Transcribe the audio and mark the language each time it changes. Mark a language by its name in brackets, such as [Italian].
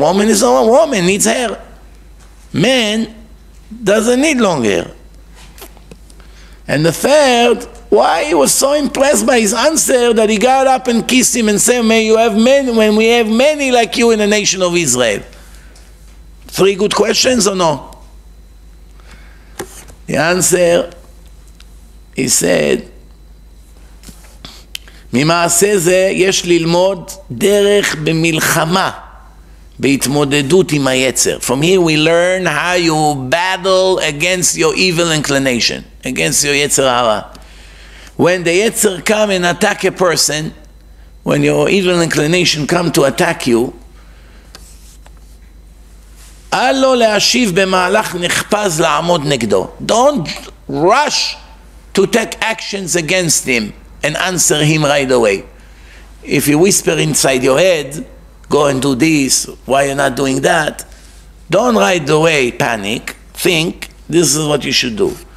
[English] Woman is a woman. Needs hair. Man doesn't need long hair. And the third, why he was so impressed by his answer that he got up and kissed him and said, may you have many, when we have many like you in the nation of Israel. Three good questions or no? The answer, he said, [Hebrew] ממעשה זה יש ללמוד דרך במלחמה בהתמודדות עם היצר. [English] From here we learn how you battle against your evil inclination, against your יצר הרע. When the יצר come and attack a person, when your evil inclination come to attack you, [Hebrew] אלו להשיב במהלך נחפז לעמוד נגדו. [English] Don't rush to take actions against him and answer him right away. If you whisper inside your head, go and do this, why you're not doing that, don't right away panic, think, this is what you should do.